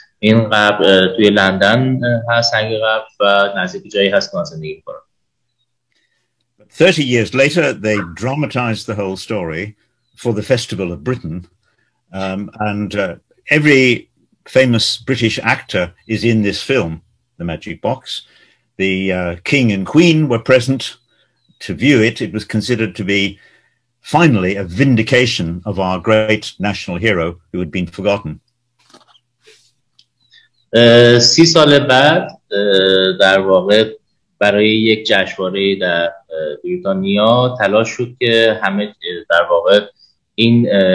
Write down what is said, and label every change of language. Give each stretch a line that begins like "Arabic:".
Persian: این قبر توی لندن هست، سنگ قبر، و نزدیک جایی هست که زندگی کنم.
English: 30 years later they dramatized the whole story for the Festival of Britain, and every famous British actor is in this film, The Magic Box. The King and Queen were present to view it. It was considered to be finally a vindication of our great national hero who had been forgotten.
Persian: 30 سال بعد در واقع برای یک جشنواره در بریتانیا تلاش شد که همه در واقع این